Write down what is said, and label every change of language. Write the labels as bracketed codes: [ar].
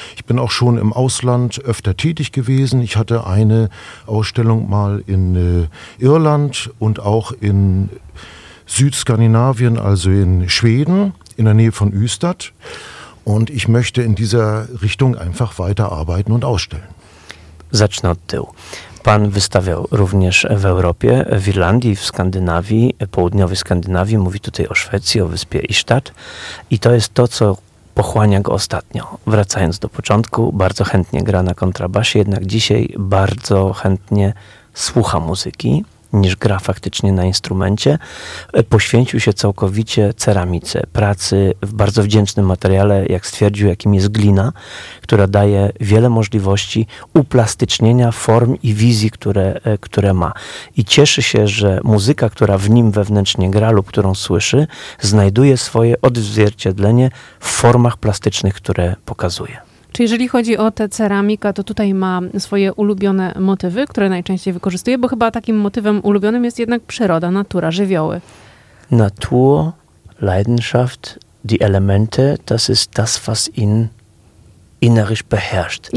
[de] Ich bin auch schon im Ausland öfter tätig gewesen. Ich hatte eine Ausstellung mal in Irland und auch in Südskandinavien, also in Schweden, in der Nähe von Ystad. Und ich möchte in dieser Richtung einfach weiterarbeiten und ausstellen. [pl] Zacznę od tyłu. Pan wystawiał również w Europie, w Irlandii, w Skandynawii, południowej Skandynawii. Mówi tutaj o Szwecji, o wyspie Ystad. I to jest to, co pochłania go ostatnio. Wracając do początku, bardzo chętnie gra na kontrabasie, jednak dzisiaj bardzo chętnie słucha muzyki, niż gra faktycznie na instrumencie. Poświęcił się całkowicie ceramice, pracy w bardzo wdzięcznym materiale, jak stwierdził, jakim jest glina, która daje wiele możliwości uplastycznienia form i wizji, które ma. I cieszy się, że muzyka, która w nim wewnętrznie gra lub którą słyszy, znajduje swoje odzwierciedlenie w formach plastycznych, które pokazuje. Czy jeżeli chodzi o tę ceramikę, to tutaj ma swoje ulubione motywy, które najczęściej wykorzystuje, bo chyba takim motywem ulubionym jest jednak przyroda, natura, żywioły. [de] Natur, Leidenschaft, die Elemente, das ist das, was ihn innerlich beherrscht.